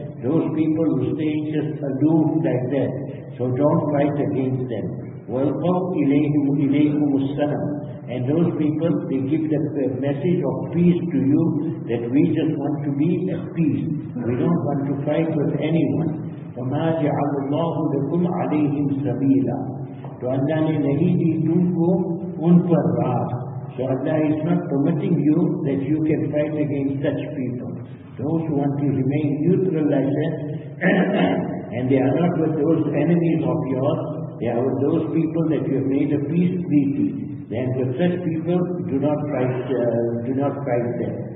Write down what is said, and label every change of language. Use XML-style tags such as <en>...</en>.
<en>Those people who stay just aloof like that, so don't fight against them.</en> <ar>وَالْقَوْ إِلَيْهُمُ السَّلَمْ.</ar> <en>And those people, they give the message of peace to you, that we just want to be at peace. We don't want to fight with anyone.</en> <ar>فَمَا جَعَلُ اللَّهُ لَكُمْ عَلَيْهِمْ سَبِيلًا.</ar> <ur>تو اللہ نے نہیں دی تم کو ان پر راہ.</ur> <en>So Allah is not permitting you that you can fight against such people. Those who want to remain neutral like that, and they are not with those enemies of yours, they are with those people that you have made a peace treaty, then with such people, do not fight them.</en>